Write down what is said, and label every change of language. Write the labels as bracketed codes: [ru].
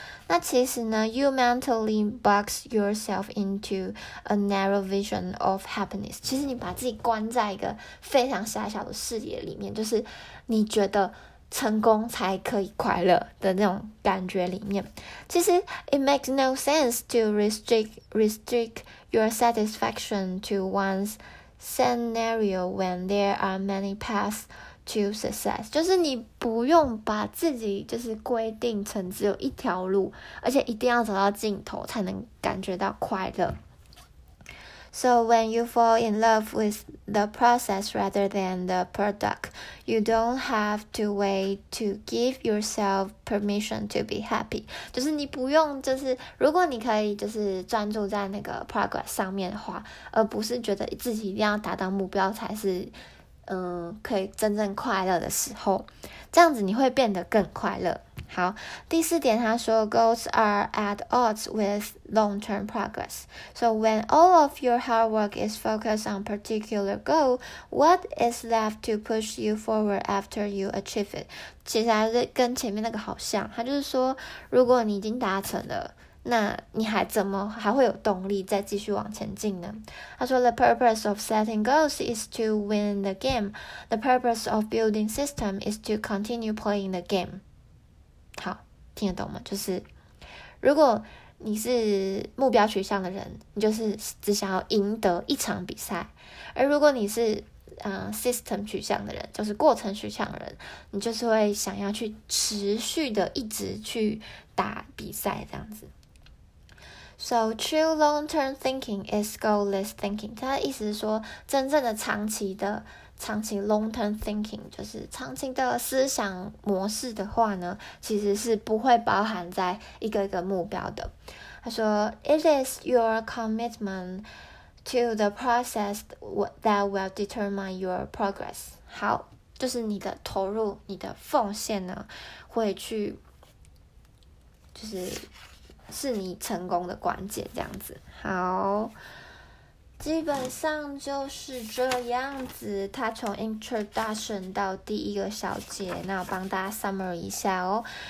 [zh] 那其实呢 [en] ，you mentally box yourself into a narrow vision of happiness. [zh] 其实你把自己关在一个非常狭小的视野里面，就是你觉得成功才可以快乐的那种感觉里面。其实 [en] it makes no sense to restrict your satisfaction to one scenario when there are many paths to success. [zh] 就是你不用把自己就是规定成只有一条路，而且一定要走到尽头才能感觉到快乐。 [en] So when you fall in love with the process rather than the product, you don't have to wait to give yourself permission to be happy. [zh] 就是你不用，就是如果你可以就是专注在那个 progress 上面的话，而不是觉得自己一定要达到目标才是可以真正快乐的时候，这样子你会变得更快乐。好，第四点他说 [en] goals are at odds with long-term progress. So when all of your hard work is focused on particular goal, what is left to push you forward after you achieve it? [zh] 其实还是跟前面那个好像，他就是说如果你已经达成了，那你还怎么还会有动力再继续往前进呢？他说 [en] The purpose of setting goals is to win the game. The purpose of building system is to continue playing the game. [zh] 好，听得懂吗？就是如果你是目标取向的人，你就是只想要赢得一场比赛；而如果你是system 取向的人，就是过程取向的人，你就是会想要去持续的一直去打比赛这样子。 [en] So true long-term thinking is goalless thinking. [zh] 它的意思是说，真正的长期 [en] long-term thinking [zh] 就是长期的思想模式的话呢，其实是不会包含在一个一个目标的。他说 [en] It is your commitment to the process that will determine your progress. [zh] 好，就是你的投入，你的奉献呢，会去就是是你成功的关键这样子。好，基本上就是这样子，他从 introduction 到第一个小节，那我帮大家 summary 一下哦。